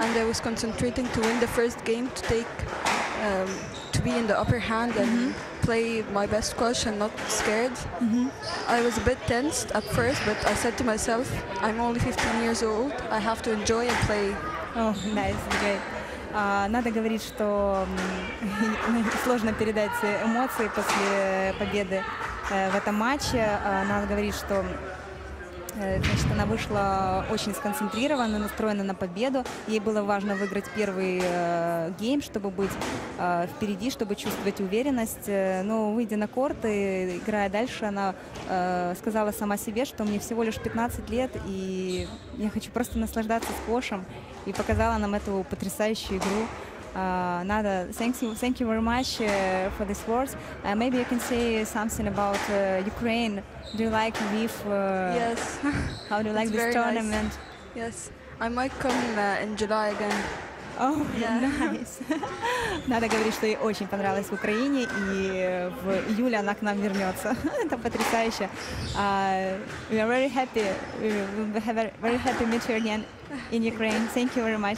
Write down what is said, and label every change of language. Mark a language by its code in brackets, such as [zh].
[en] And I was concentrating to win the first game, to take, to be in the upper hand and mm-hmm. play my best squash and not scared. Mm-hmm. I was a bit tensed at first, but I said to myself, I'm only 15 years old, I have to enjoy and play. Oh, nice, great. [ru] Надо говорить, что сложно передать эмоции после победы в этом матче. Надо говорить, что значит, она вышла очень сконцентрирована, настроена на победу. Ей было важно выиграть первый гейм, чтобы быть впереди, чтобы чувствовать уверенность. Но выйдя на корт и играя дальше, она сказала сама себе, что мне всего лишь 15 лет, и я хочу просто наслаждаться сквошем. И показала нам эту потрясающую игру. [en] Nada, thank you very much for these words. Maybe you can say something about Ukraine. Do you like Lviv? Yes. How do you like this tournament? Nice. Yes. I might come in July again. Oh, yeah. Nice. [ru] Nada говорит, что ей очень понравилось в Украине, и в июле она к нам вернется. Это потрясающе. [en] We are very happy. We have a very happy meet you again in Ukraine. Thank you very much.